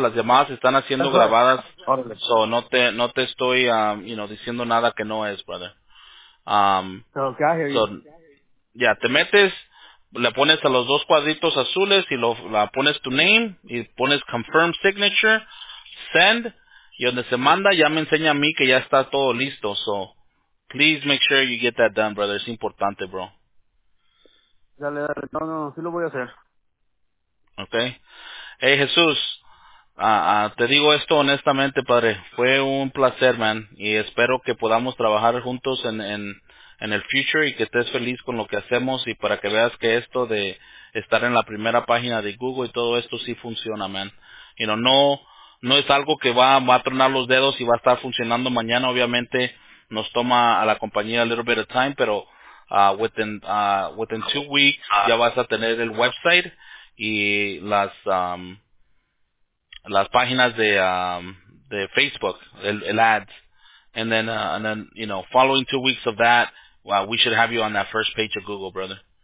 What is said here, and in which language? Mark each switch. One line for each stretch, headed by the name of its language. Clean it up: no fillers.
Spanish: Las llamadas están haciendo grabadas, so no te estoy, diciendo nada que no es, brother.
English: Okay, I hear you.
Spanish: So, yeah, te metes, le pones a los dos cuadritos azules y la pones tu name y pones confirm signature, send, y donde se manda ya me enseña a mí que ya está todo listo.
English: So, please make sure you get that done, brother.
Spanish: Es importante, bro. Dale, dale. No, sí lo voy a hacer. Okay. Hey, Jesús. Te digo esto honestamente, padre. Fue un placer, man. Y espero que podamos trabajar juntos en el future y que estés feliz con lo que hacemos y para que veas que esto de estar en la primera página de Google y todo esto sí funciona, man. You know, no es algo que va a tronar los dedos y va a estar funcionando mañana. Obviamente nos toma a la compañía
English: a little bit of time,
Spanish: pero
English: within 2 weeks
Spanish: ya vas a tener el website y las páginas de Facebook, el ads.
English: And then, you know, following 2 weeks of that, well, we should have you on that first page of Google, brother.